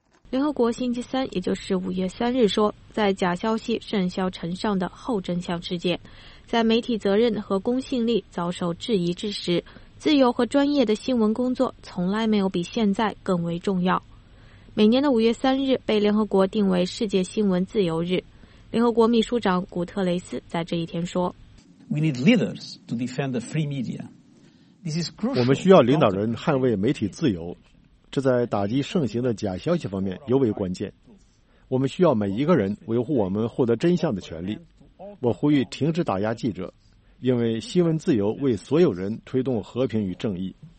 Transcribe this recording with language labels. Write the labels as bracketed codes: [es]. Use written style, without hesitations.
[zh] 联合国星期三，也就是5月3日说，在假消息甚嚣尘上的后真相世界，在媒体责任和公信力遭受质疑之时，自由和专业的新闻工作从来没有比现在更为重要。每年的5月3日被联合国定为世界新闻自由日。联合国秘书长古特雷斯在这一天说， [en] We need leaders to defend the free media. This is crucial. [zh] 我们需要领导人捍卫媒体自由，这在打击盛行的假消息方面尤为关键。我们需要每一个人维护我们获得真相的权利。我呼吁停止打压记者，因为新闻自由为所有人推动和平与正义。